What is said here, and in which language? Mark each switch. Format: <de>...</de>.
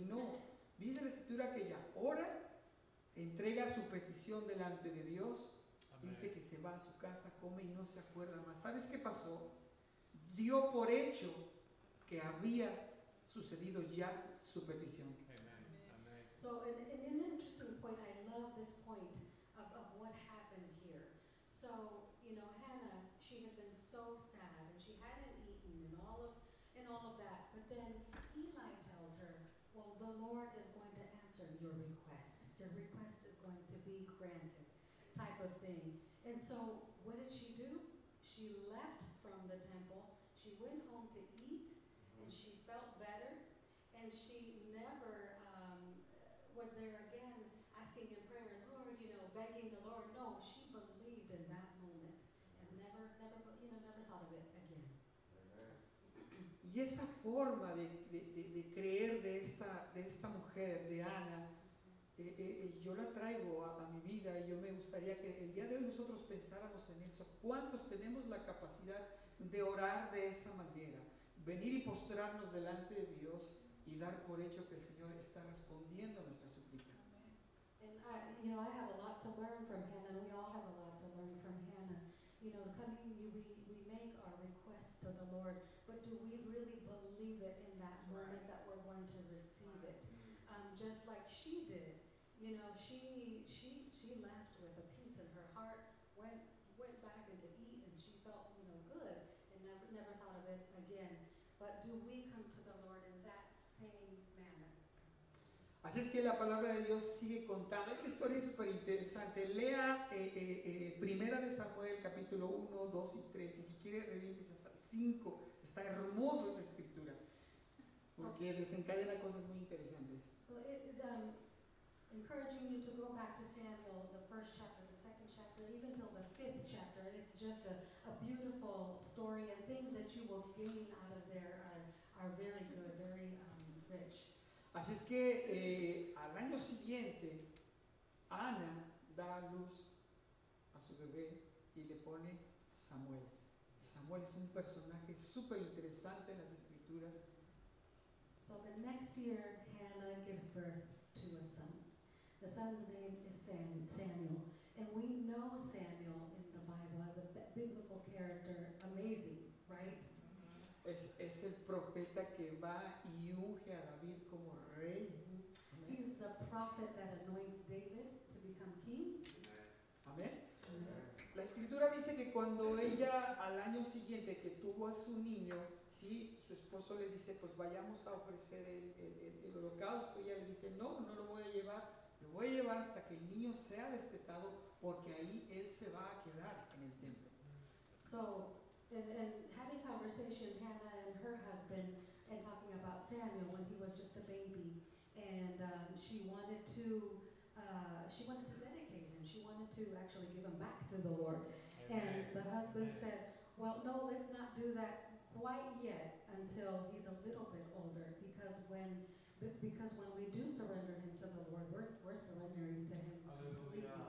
<es>No, dice la escritura que ella ora, entrega su petición delante de Dios, dice que se va a su casa, come y no se acuerda más. ¿Sabes qué pasó? dio por hecho que había sucedido ya su petición.</es> <en>So, an interesting point, I love this point of what happened here. So, you know, Hannah, she had been so sad, and she hadn't eaten and all of that. But then Eli tells her, well, the Lord is going to answer your request. Your request is going to be granted, type of thing. And so what did she do? She left from the temple. She went home to eat, and she felt better, and she never... was there again asking in prayer and Lord, you know, begging the Lord. No, she believed in that moment and never thought of it again.</en> <es>Y esa forma de creer de esta mujer, de Ana, yo la traigo a mi vida, y yo me gustaría que el día de hoy nosotros pensáramos en eso. ¿Cuántos tenemos la capacidad de orar de esa manera? Venir y postrarnos delante de Dios y dar por hecho que el Señor está respondiendo a nuestra súplica.</es> <en>And I, you know, I have a lot to learn from Hannah, and we all have a lot to learn from Hannah. You know, coming, we make our requests to the Lord, but do we really believe it in that moment that we're going to receive it? Just like she did, you know, she left with a piece in her heart, went back into eat, and she felt, you know, good, and never thought of it again. But do we come to the Lord in that same manner?</en> <es>Así es que la palabra de Dios sigue contando. Esta historia es súper interesante. Lea Primera de Samuel, capítulo 1, 2 y 3. Y si quiere, revíndese hasta el 5. Está hermoso esta escritura. Porque desencadena cosas muy interesantes.</es> <en>So, encouraging you to go back to Samuel, the first chapter, the second chapter, even till the fifth chapter. It's just a beautiful story, and things that you will gain out of there are very good, very rich.</en> <es>Así es que al año siguiente, Ana da a luz a su bebé y le pone Samuel. Samuel es un personaje súper interesante en las escrituras.</es> <en>So the next year, Hannah gives birth to a son. The son's name is Samuel. And we know Samuel in the Bible as a biblical character. Amazing, right?</en> <es>Es el profeta que va y unge a David como rey.</es> <en>He's the prophet that anoints David to become king.</en> <es>Amén. La escritura dice que cuando ella al año siguiente que tuvo a su niño, sí, su esposo le dice, pues vayamos a ofrecer el holocausto. Ella le dice, no lo voy a llevar. Lo voy a llevar hasta que el niño sea destetado, porque ahí él se va a quedar en el templo.</es> <en>So, and having conversation, Hannah and her husband, and talking about Samuel when he was just a baby, and she wanted to dedicate him. She wanted to actually give him back to the Lord. Amen. And the husband said, well, no, let's not do that quite yet until he's a little bit older, because when we do surrender him to the Lord, we're surrendering to him completely.</en>